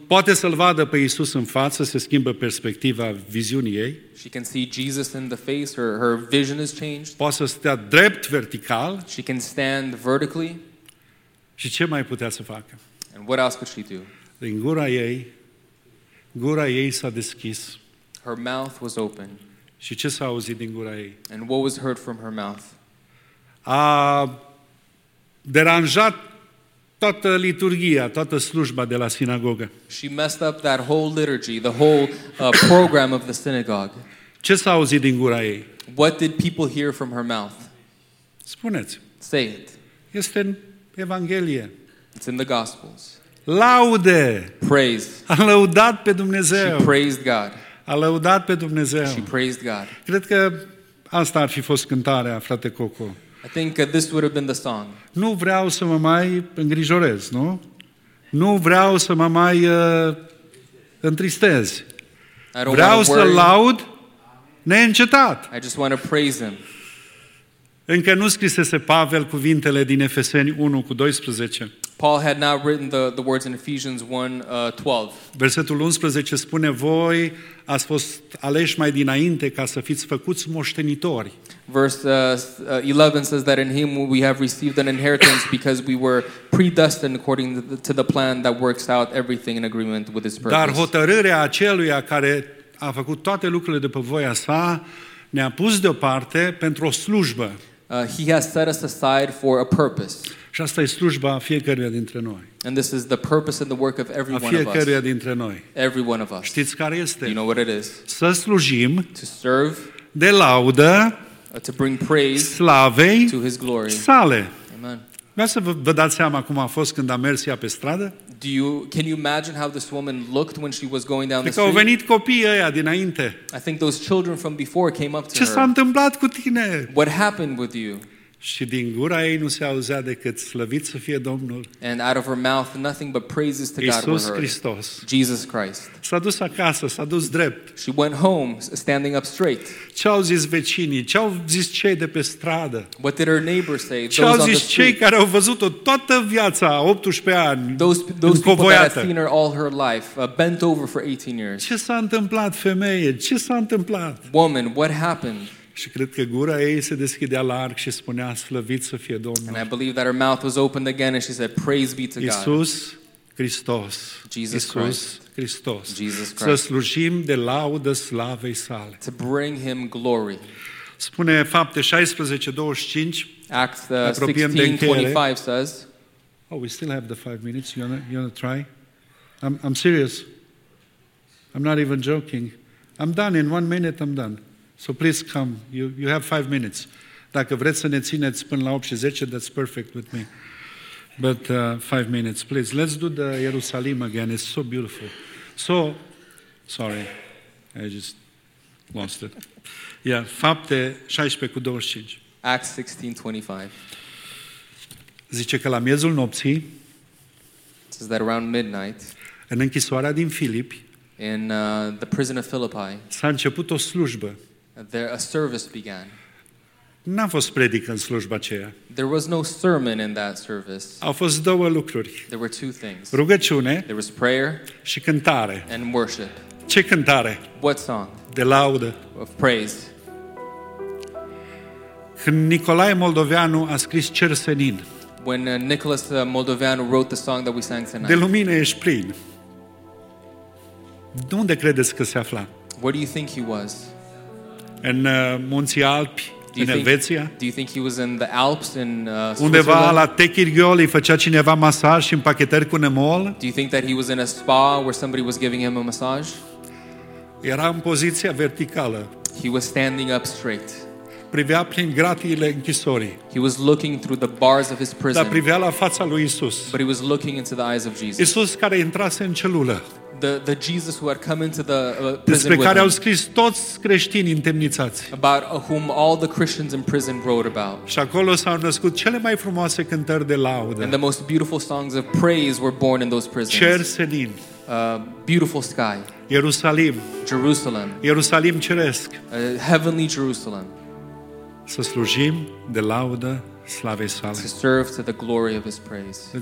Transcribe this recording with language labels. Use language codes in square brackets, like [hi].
[ro] Poate să-L vadă pe Iisus în față, se schimbă perspectiva viziunii ei. [en] She can see Jesus in the face, her vision is changed. [ro] Poate să stea drept vertical. [en] She can stand vertically. [ro] Și ce mai putea să facă? [en] And what else could she do? [ro] Din gura ei s-a deschis. [en] Her mouth was open. [ro] Și ce s-a auzit din gura ei? [en] And what was heard from her mouth? [ro] A deranjat toată liturgia, toată slujba de la sinagogă. [en] She messed up that whole liturgy, the whole program of the synagogue. [ro] Ce s-a auzit din gura ei? [en] What did people hear from her mouth? [ro] Spuneți. [en] Say it. [ro] Este în Evanghelie. [en] It's in the Gospels. [ro] Laude. [en] Praise. [ro] A lăudat pe Dumnezeu. [en] She praised God. [ro] A lăudat pe Dumnezeu. [en] She praised God. [ro] Cred că asta ar fi fost cântarea, frate Coco. [en] I think this would have been the song. [ro] Nu vreau să mă mai îngrijorez, nu? Nu vreau să mă mai întristez. Vreau să-L laud neîncetat. [en] I just want to praise Him. [ro] Încă nu scrisese Pavel cuvintele din Efeseni 1 cu 12. [en] Paul had not written the words in Ephesians 1:12. [ro] Versetul 11 spune, voi ați fost aleși mai dinainte ca să fiți făcuți moștenitori. [en] Verse 11 says that in him we have received an inheritance because we were predestined according to the plan that works out everything in agreement with his purpose. [ro] Dar hotărârea aceluia care a făcut toate lucrurile după voia sa ne-a pus deoparte pentru o slujbă. [en] He has set us aside for a purpose. [ro] Și asta e slujba fiecăruia dintre noi. [en] And this is the purpose and the work of every one of us. [ro] A fiecăruia dintre noi. [en] Every one of us. [ro] Știți care este? [en] You know what it is. [ro] Să slujim. [en] To serve. [ro] De laudă. [en] To bring praise. [ro] Slavei. [en] To his glory. [ro] Sale. [en] Amen. [ro] Vreau să vă dați seama cum a fost când a mers ea pe stradă? [en] Can you imagine how this woman looked when she was going down the street? [ro] Au venit copiii ăia dinainte. [en] I think those children from before came up to her. [ro] Ce s-a întâmplat cu tine? [en] What happened with you? [ro] Și din gura ei nu se auzea decât slăvit să fie Domnul. [en] And out of her mouth nothing but praises to God. [ro] Iisus Hristos. [en] Jesus Christ. [ro] S-a dus acasă, s-a dus drept. [en] She went home standing up straight. [ro] Ce au zis vecinii? Ce au zis cei de pe stradă? [en] What did her neighbors say? [ro] Ce au zis cei care au văzut-o toată viața, 18 ani? [en] Those people that had seen her all her life, bent over for 18 years. [ro] Ce s-a întâmplat, femeie? Ce s-a întâmplat? [en] Woman, what happened? [ro] Și cred că gura ei se deschidea larg și spunea slăvit să fie Domnul. [en] And I believe that her mouth was opened again and she said praise be to God. [ro] Iisus Hristos. [en] Jesus Christ. Jesus [ro] Christ. Să slujim de laudă slavei sale. [en] To bring him glory. [ro] Spune Fapte 16:25. [en] Acts 16:25 says. Oh, we still have the 5 minutes. You wanna try? I'm serious. I'm not even joking. I'm done in 1 minute. I'm done. So please come. You have 5 minutes. [ro] Dacă vreți să ne țineți până la 8:10, [en] that's perfect with me. But 5 minutes, please. Let's do the Jerusalem again. It's so beautiful. So, sorry. I just lost it. [ro] Yeah, Fapte 16:25. [en] Acts 16:25. [ro] Zice că la miezul nopții, [en] it says that around midnight, [ro] în închisoarea din Filip, [en] in the prison of Philippi, [ro] s-a început o slujbă. [en] There a service began. [ro] N-a fost predică în slujba aceea. [en] There was no sermon in that service. [ro] Au fost două lucruri. [en] There were two things. [ro] Rugăciune. [en] There was prayer. [ro] Și cântare. [en] And worship. [ro] Ce cântare? [en] What song? [ro] De laudă. [en] Of praise. [ro] Când Nicolae Moldoveanu a scris Cer senin. [en] When Nicholas Moldoveanu wrote the song that we sang tonight. [ro] De lumină ești plin. De unde credeți că se afla? [en] Where do you think he was? [ro] În munții Alpi, în Elveția. [en] Do you think he was in the Alps in [ro] undeva la Techirgioli făcea cineva masaj și împachetări cu nemol? [en] Do you think that he was in a spa where somebody was giving him a massage? [ro] Era în poziția verticală. [en] He was standing up straight. [ro] Privea prin gratiile închisorii. [en] He was looking through the bars of his prison. [ro] Dar privea la fața lui Isus. [en] But he was looking into the eyes of Jesus. [ro] Isus care intrase în celulă. [en] The Jesus who had come into the prison. [ro] Despre care au scris toți creștinii întemnițați. [en] About whom all the Christians in prison wrote about. [ro] Și acolo s-au născut cele mai frumoase cântări de laudă. [en] And the most beautiful songs of praise were born in those prisons. [ro] Cer senin. [en] Beautiful sky. [ro] Ierusalim. [en] Jerusalem. [ro] Ierusalim ceresc. [en] Heavenly Jerusalem. [ro] Să slujim de laudă slavei sale. [en] To serve to the glory of his praise.